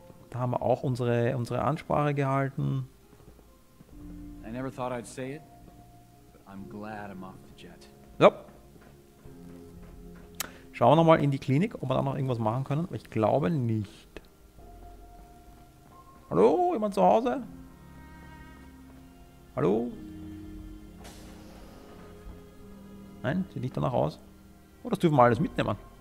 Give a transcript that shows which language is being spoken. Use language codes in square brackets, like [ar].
[de] Da haben wir auch unsere Ansprache gehalten. [en] I never thought I'd say it, but I'm glad I'm off the jet. Yep. [de] Schauen wir nochmal in die Klinik, ob wir da noch irgendwas machen können. Ich glaube nicht. Hallo, jemand zu Hause? Hallo? Nein, sieht nicht danach aus. Oh, das dürfen wir alles mitnehmen.